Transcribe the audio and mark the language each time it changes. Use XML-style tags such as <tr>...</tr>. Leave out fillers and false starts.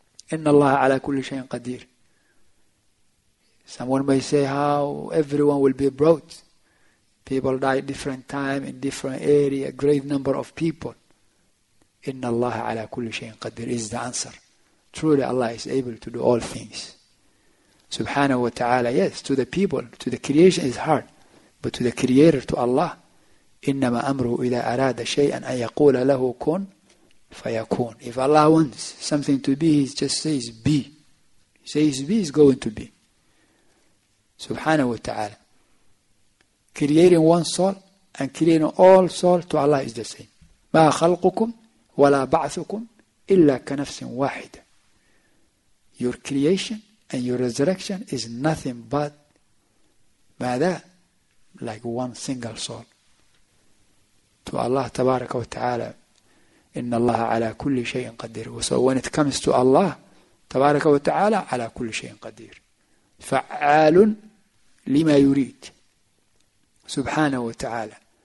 <ar>Inna Allah ala kulli shayin qadir.</ar> <en>Someone may say how everyone will be brought. People die at different time, in different area, a great number of people.</en> <ar>Inna Allah ala kulli shayin qadir</ar> <en>is the answer. Truly Allah is able to do all things. Subhanahu wa ta'ala, yes, to the people, to the creation is hard. But to the creator, to Allah,</en> <ar>إنما أمره إذا أراد شيئاً أن يقول له كن فيكون.</ar> <en>If Allah wants something to be, He just says be. He says be, is going to be.</en> <ar>سبحانه وتعالى.</ar> <en>Creating one soul and creating all soul to Allah is the same.</en> <ar>ما خلقكم ولا بعثكم إلا كنفس واحدة.</ar> <en>Your creation and your resurrection is nothing but ماذا؟ Like one single soul. To Allah</en> <ar>تبارك وتعالى إن الله على كل شيء قدير.</ar> <en>So when it comes to Allah</en> <ar>تبارك وتعالى على كل شيء قدير فعال لما يريد سبحانه وتعالى.</ar>